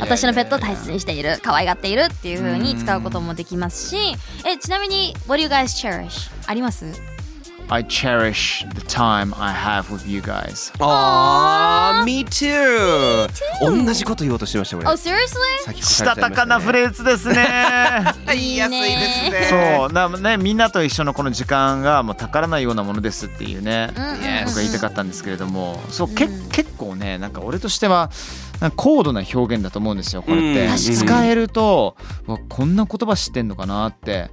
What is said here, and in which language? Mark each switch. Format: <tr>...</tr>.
<ja>私のペットを大切にしている、可愛がっているっていう風に使うこともできますし、うん、ちなみに</ja> <en>What do you guys cherish?</en> <ja>あります？</ja> <en>I cherish the time I have with you guys. Me too.</en> <ja>同じこと言おうとしてました、俺。</ja> <en>Oh, seriously?</en> <ja>したたかなフレーズですね。言いやすいですね。そう、なんね、みんなと一緒のこの時間がもう宝のようなものですっていうね、</ja> <en>yes.</en> <ja>僕が言いたかったんですけれども、そう、結構ね、なんか俺としては、なんか高度な表現だと思うんですよ、これって、うん、使えると、うん、わ、こんな言葉知ってんのかなって、</ja>